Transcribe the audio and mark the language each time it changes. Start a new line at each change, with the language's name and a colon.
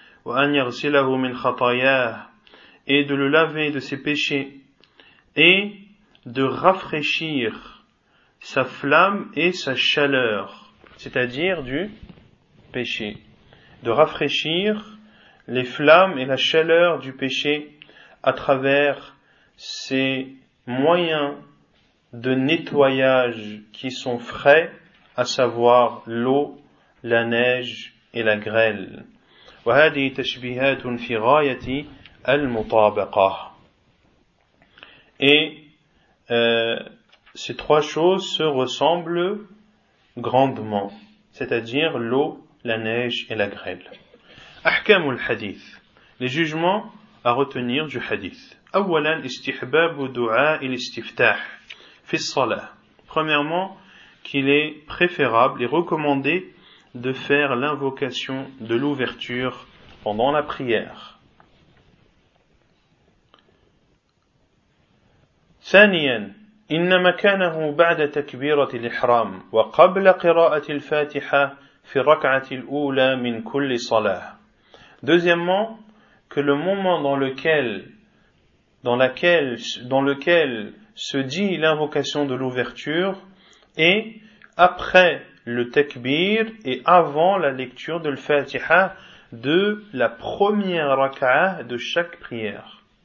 Arabic: وَأَنْ يَغْسِلَهُ مِنْ خَطَيَاهُ,
French: et de le laver de ses péchés, et de rafraîchir sa flamme et sa chaleur, c'est-à-dire du péché, de rafraîchir les flammes et la chaleur du péché à travers ces moyens de nettoyage qui sont frais, à savoir l'eau, la neige et la grêle.
Arabic: وهذه تشبيهات في غاية المطابقة.
French: Et ces trois choses se ressemblent grandement, c'est-à-dire l'eau, la neige et la grêle.
Arabic: أحكام الحديث,
French: les jugements à retenir du hadith.
Arabic: أولا استحباب دعاء الاستفتاح في الصلاة.
French: Premièrement, qu'il est préférable et recommandé de faire l'invocation de l'ouverture pendant la prière.
Arabic: ثانياً إن مكانه بعد تكبيرة الإحرام وقبل قراءة الفاتحة في الركعة الأولى من كل صلاة.
French: Deuxièmement, que le moment dans lequel se dit l'invocation de l'ouverture est après le takbir et avant la lecture de l'Fatiha de la première raka'a de chaque prière.